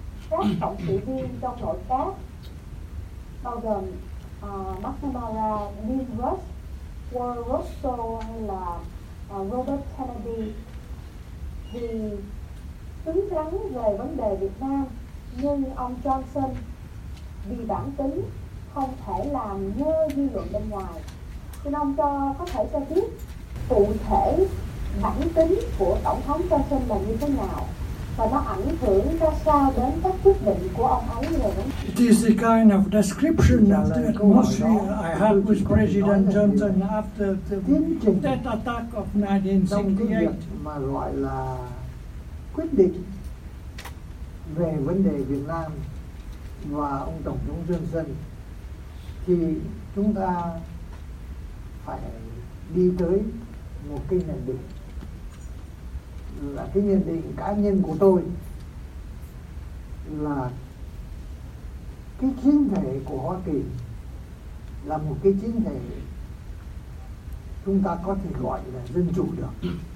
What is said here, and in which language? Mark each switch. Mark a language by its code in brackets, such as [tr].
[vi] Các cộng sự viên trong nội các bao gồm McNamara, Neil Rush, Warren Russell hay là Robert Kennedy thì cứng rắn về vấn đề Việt Nam, nhưng ông Johnson vì bản tính không thể làm ngơ dư luận bên ngoài. Xin ông cho có thể cho biết cụ thể bản tính của Tổng thống Johnson là như thế nào và nó ảnh hưởng ra sao đến các quyết định của ông ấy rồi đó. [en] It is the kind of description of the atmosphere I had with President Johnson after the tet-a-tet attack of 1968. [vi] Mà gọi là quyết định về vấn đề Việt Nam và ông Tổng thống Johnson thì chúng ta phải đi tới một cái nhận định là cái nhận định cá nhân của tôi là cái chiến thể của Hoa Kỳ là một cái chiến thể chúng ta có thể gọi là dân chủ được.